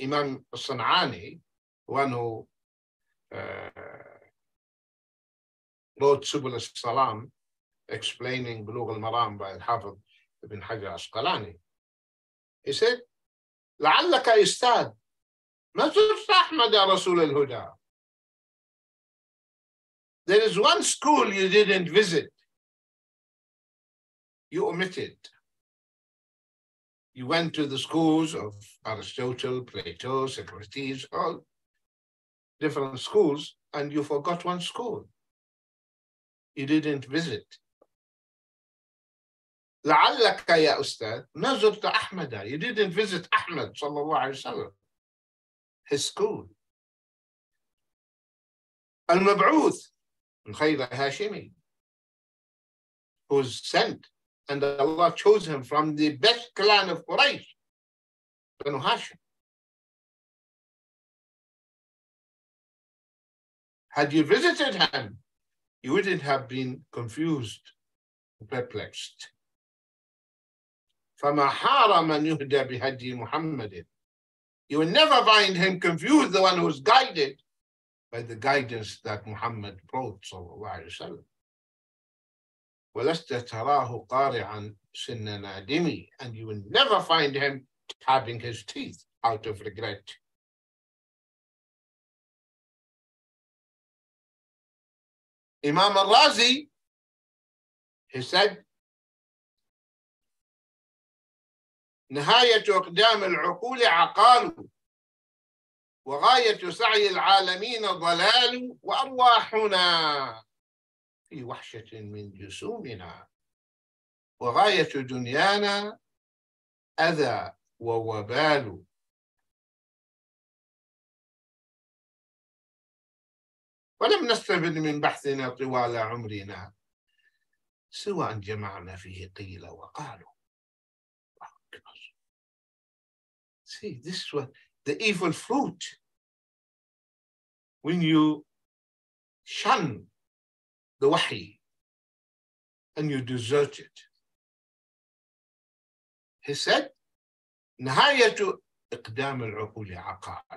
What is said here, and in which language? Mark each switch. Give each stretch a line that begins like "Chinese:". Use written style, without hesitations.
Arabic: إمام الصنعاني وانه
English: wrote
Arabic: سبل السلام
English: explaining
Arabic: بلوغ المرام
English: by
Arabic: الحافظ ابن حجر عسقلاني.
English: He said,
Arabic: لعلك استاذ ما زرت احمد رسول الهدى.
English: There is one school you didn't visit. You omitted. You went to the schools of Aristotle, Plato, Socrates, all different schools, and you forgot one school. You didn't visit.
Arabic: لعلك يا أستاذ ما زرت أحمد.
English: You didn't visit
Arabic: أحمد صلى الله عليه وسلم,
English: his school.
Arabic: المبعوث من خير هاشمي,
English: who's sent, and Allah chose him from the best clan of Quraysh, Banu Hashim. Had you visited him, you wouldn't have been confused, perplexed.
Arabic: فَمَا حَارَ مَنْ يُهْدَى بِهَدِّي مُحَمَّدٍ.
English: You will never find him confused, the one who's guided by the guidance that Muhammad brought,
Arabic: صلى الله عليه وسلم. وَلَسْتَ تَرَاهُ قَارِعًا سِنَّ نَادِمِي.
English: And you will never find him tapping his teeth out of regret. Imam al-Razi, he said,
Arabic: نهاية أقدام العقول عقال وغاية سعي العالمين ضلال وأرواحنا في وحشة من جسومنا وغاية دنيانا أذى ووبال. ولم نستفد من بحثنا طوال عمرنا سوى أن جمعنا فيه قيل وقالوا.
English: See, this is what the evil fruit. When you shun the wahi and you desert it. He said,
Arabic: Nahayatu iqdam al-uqul aqal.